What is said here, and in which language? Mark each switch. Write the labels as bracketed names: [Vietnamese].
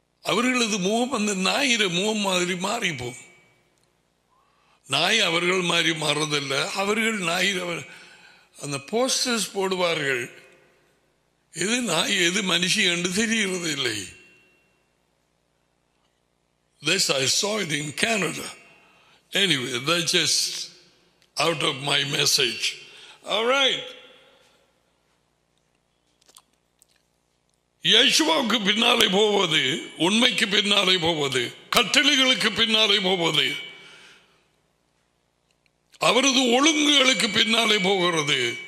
[Tamil] அவர்களது முகம் அந்த நாயிர முகம் மாதிரி மாறிப்போம். நாய் அவர்கள் மாதிரி மாறதில்லை, அவர்கள் நாயிரவர். அந்த போஸ்டர்ஸ் போடுவார்கள், எது நாய் எது மனுஷி என்று தெரிகிறது இல்லை. [English] This I saw it in Canada. Anyway, that's just out of my message. All right. [Tamil] யேசுவாவுக்கு பின்னாலே போவது, உண்மைக்கு பின்னாலே போவது, கட்டளைகளுக்கு பின்னாலே போவது, அவரது ஒழுங்குகளுக்கு பின்னாலே போகிறது.